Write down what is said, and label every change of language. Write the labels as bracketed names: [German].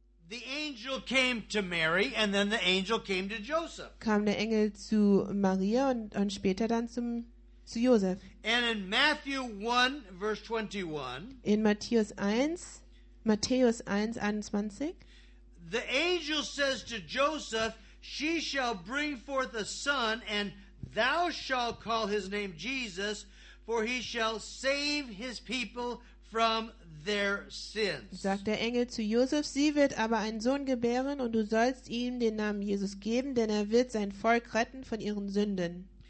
[English] the angel came to Mary and then the angel came to Joseph. [German] Kam der Engel zu Maria und später dann zu Josef. [English] And in Matthew 1, verse 21, [German] in Matthäus 1, 21, [English] the angel says to Joseph, she shall bring forth a son and thou shalt call his name Jesus, for he shall save his people from their sins. [German] Sagt der Engel zu Josef, sie wird aber einen Sohn gebären und du sollst ihm den Namen Jesus geben, denn er wird sein Volk retten von ihren Sünden.